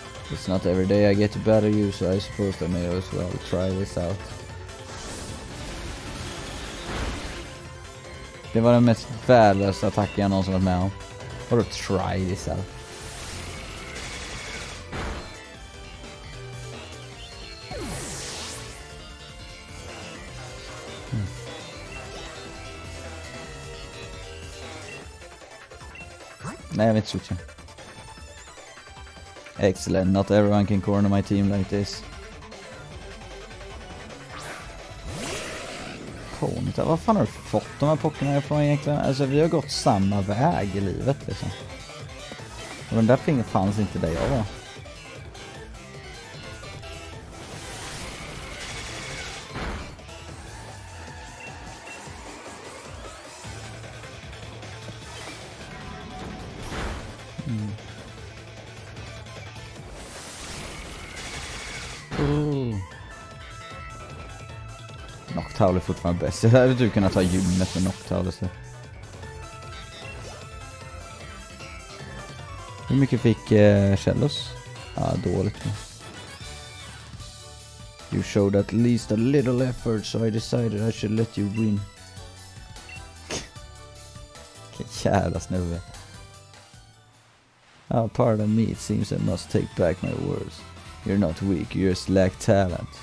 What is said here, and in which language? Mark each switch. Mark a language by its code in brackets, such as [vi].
[en] It's not every day I get a better use, so I suppose I may as well try this out. [sv] Det var den mest värdelösa attacken jag någonsin varit med om. Vadå [en] try this out? [sv] Nej, jag vet inte. [en] Excellent. Not everyone can corner my team like this. [sv] Ponyta, vad fan har du fått de här pockorna ifrån egentligen? Alltså, vi har gått samma väg i livet, liksom. Och den där fingret fanns inte där jag var. Noctowl är fortfarande bäst. Jag hade du kunnat ta gymmet med Noctowl. Så. Hur mycket fick Shellos? Ja, dåligt. [en] You showed at least a little effort, so I decided I should let you win. [sv] Vilken jävla snubbe. [en] Oh, pardon me, it seems I must take back my words. You're not weak, you just lack talent.